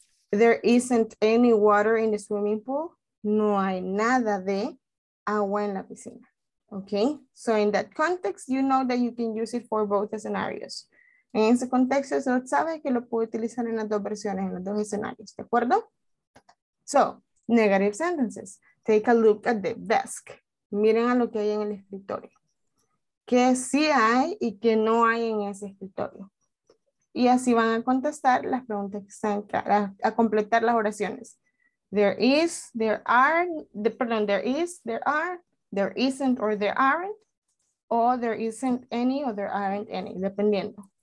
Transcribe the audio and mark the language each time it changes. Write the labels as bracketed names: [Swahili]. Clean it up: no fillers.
[English] There isn't any water in the swimming pool. [Spanish] No hay nada de agua en la piscina. [English] Okay. So in that context, you know that you can use it for both scenarios. [Spanish] En ese contexto, usted sabe que lo puede utilizar en las dos versiones, en los dos escenarios. ¿De acuerdo? [English] So, negative sentences. Take a look at the desk. [Spanish] Miren a lo que hay en el escritorio. ¿Qué sí hay y qué no hay en ese escritorio? Y así van a contestar las preguntas que están claras, a completar las oraciones. [English] There is, there are, there is, there are, there isn't or there aren't, or there isn't any or there aren't any, dependiendo.